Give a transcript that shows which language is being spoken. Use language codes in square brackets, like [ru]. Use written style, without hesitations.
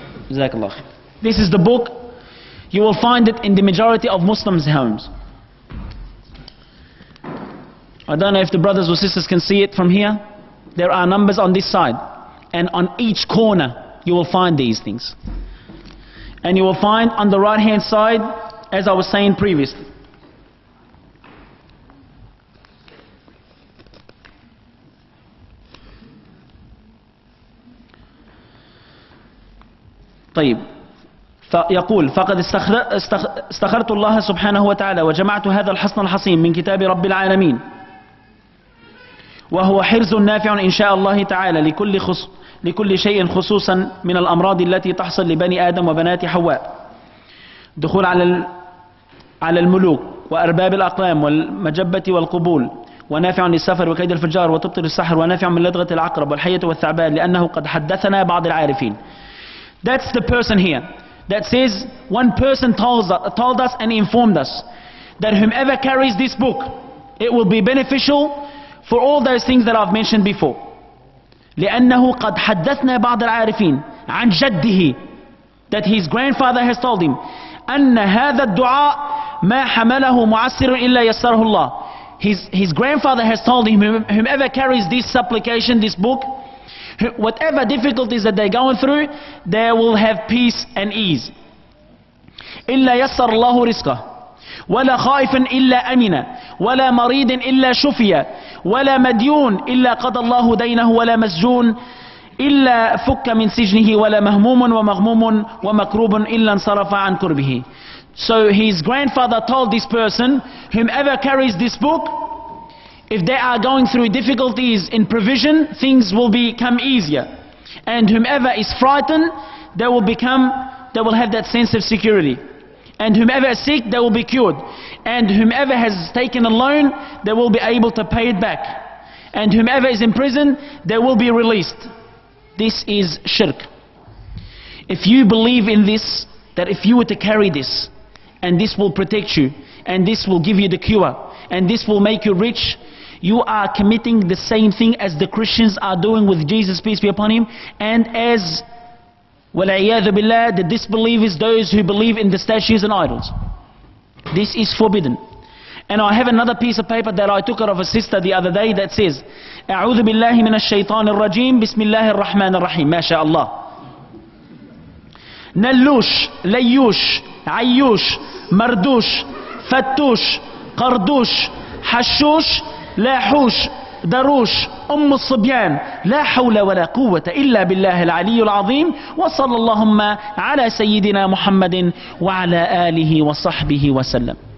[en] Jazakallah. This is the book. You will find it in the majority of Muslims' homes. I don't know if the brothers or sisters can see it from here. There are numbers on this side, and on each corner you will find these things. And you will find on the right hand side, as I was saying previously, [ar] طيب يقول فقد استخرت الله سبحانه وتعالى وجمعت هذا الحصن الحصين من كتاب رب العالمين وهو حرز نافع إن شاء الله تعالى لكل شيء خصوصا من الأمراض التي تحصل لبني آدم وبنات حواء. دخول على على الملوك وأرباب الأقلام والمجبة والقبول، ونافع للسفر وكيد الفجار وتبطل السحر، ونافع من لدغة العقرب والحية والثعبان، لأنه قد حدثنا بعض العارفين. [en] That's the person here that says one person told us and informed us that whomever carries this book, it will be beneficial for all those things that I've mentioned before. [ar] لأنه قد حدثنا بعض العارفين عن جده, [en] that his grandfather has told him [ar] أن هذا الدعاء ما حمله معسر إلا يسره الله. [en] His grandfather has told him, whomever carries this supplication, this book, whatever difficulties that they're going through, they will have peace and ease. [ar] إلا يسر الله رزقه ولا خائف إلا أمنا ولا مريض إلا شفيا ولا مديون إلا قضى الله دينه ولا مسجون إلا فك من سجنه ولا مهموم ومغموم ومكروب إلا انصرف عن كربه. [en] So his grandfather told this person, whomever carries this book, if they are going through difficulties in provision, things will become easier. And whomever is frightened, they will have that sense of security. And whomever is sick, they will be cured. And whomever has taken a loan, they will be able to pay it back. And whomever is in prison, they will be released. This is shirk. If you believe in this, that if you were to carry this, and this will protect you, and this will give you the cure, and this will make you rich, you are committing the same thing as the Christians are doing with Jesus, peace be upon him, and as, [ar] وَلَعِيَاذُ بِاللَّهِ, [en] the disbelievers, those who believe in the statues and idols. This is forbidden. And I have another piece of paper that I took out of a sister the other day that says, [ar] أَعُوذُ بِاللَّهِ مِنَ الشَّيْطَانِ الرَّجِيمِ بِسْمِ اللَّهِ الرَّحْمَنِ الرَّحِيمِ مَا شَاءَ اللَّهِ نَلُّوش لَيُّوش عيوش مردوش فتوش قردوش حشوش لاحوش دروش أم الصبيان لا حول ولا قوة إلا بالله العلي العظيم وصلى اللهم على سيدنا محمد وعلى آله وصحبه وسلم.